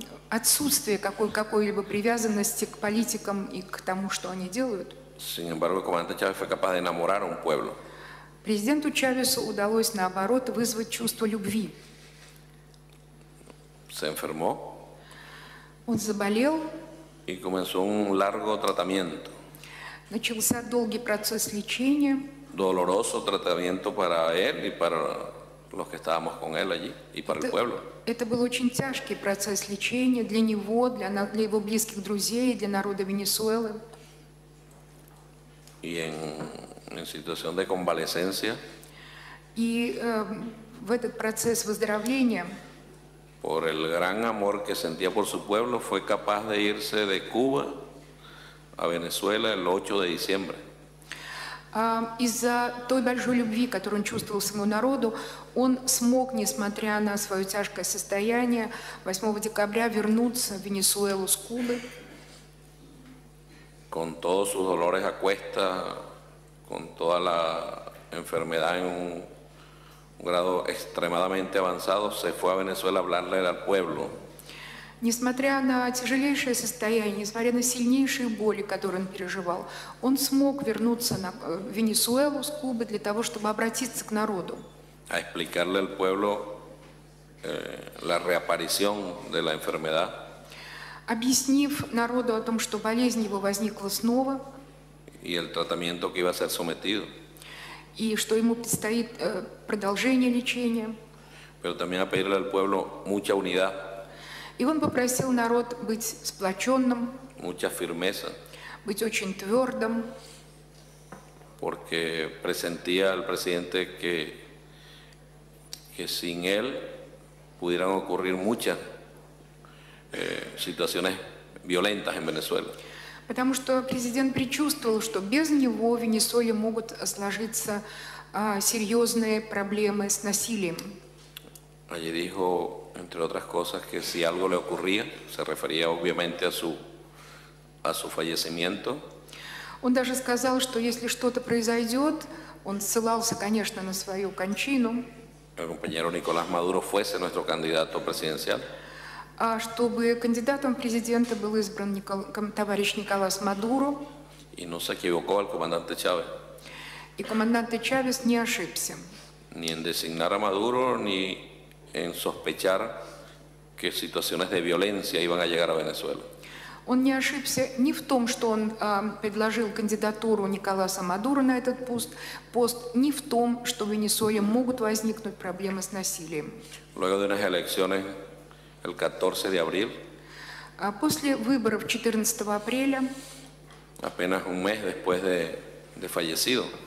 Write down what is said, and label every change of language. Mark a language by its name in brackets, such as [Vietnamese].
[Russian] Отсутствие какой-либо привязанности к политикам и к тому, что они делают. [Spanish] Sin embargo, el comandante Chávez fue capaz de enamorar a un pueblo. [Russian] Президенту Чавесу удалось, наоборот, вызвать чувство любви. [Spanish] Se enfermó. [Russian] Он заболел. [Spanish] Y comenzó un largo tratamiento. [Russian] Начался долгий процесс лечения. [Spanish] Doloroso tratamiento para él y para los que estábamos con él allí y para el pueblo. [Russian] Это был очень тяжкий процесс лечения для него, для его близких друзей, для народа Венесуэлы. [Spanish] Y en situación de convalecencia. [Russian] И в этот процесс выздоровления. [Spanish] Por el gran amor que sentía por su pueblo, fue capaz de irse de Cuba a Venezuela el 8 de diciembre. [Russian] Из-за той большой любви, которую он чувствовал своему народу, он смог, несмотря на свое тяжкое состояние, 8 декабря вернуться в Венесуэлу с Кубы. [Spanish] Con todos sus dolores a cuesta, con toda la enfermedad en un grado extremadamente avanzado, se fue a Venezuela a hablarle al pueblo. [Russian] Несмотря на тяжелейшее состояние, несмотря на сильнейшие боли, которые он переживал, он смог вернуться на Венесуэлу с Кубы для того, чтобы обратиться к народу. [Spanish] A explicarle al pueblo la reaparición de la enfermedad. [Russian] Объяснив народу о том, что болезнь его возникла снова. [Spanish] Y el tratamiento que iba a ser sometido. [Russian] И что ему предстоит продолжение лечения. [Spanish] Pero también a pedirle al pueblo mucha unidad. [Russian] И он попросил народ быть сплоченным. [Spanish] Mucha firmeza. [Russian] Быть очень твердым. [Spanish] Porque presentía al presidente que sin él pudieran ocurrir muchas situaciones violentas en Venezuela. [Russian] Потому что президент предчувствовал, что без него в Венесуэле могут сложиться серьезные проблемы с насилием. [Spanish] Allí dijo, entre otras cosas, que si algo le ocurría, se refería obviamente a su fallecimiento. [Russian] Он даже сказал, что если что-то произойдет, он ссылался, конечно, на свою кончину. [Spanish] El compañero Nicolás Maduro fuese nuestro candidato presidencial. [Russian] А чтобы кандидатом президента был избран товарищ Николас Мадуро. [Spanish] Y no se equivocó el comandante Chávez. [Russian] И командант Чавес не ошибся. [Spanish] Ni en designar a Maduro, ni en sospechar que situaciones de violencia iban a llegar a Venezuela. [Russian] Он не ошибся ни в том, что он предложил кандидатуру Николаса Мадуро на этот пост, ни в том, что в Венесуэле могут возникнуть проблемы с насилием. [Spanish] Luego de unas elecciones el 14 de abril. [Russian] После выборов 14 апреля. [Spanish] Apenas un mes después de fallecido.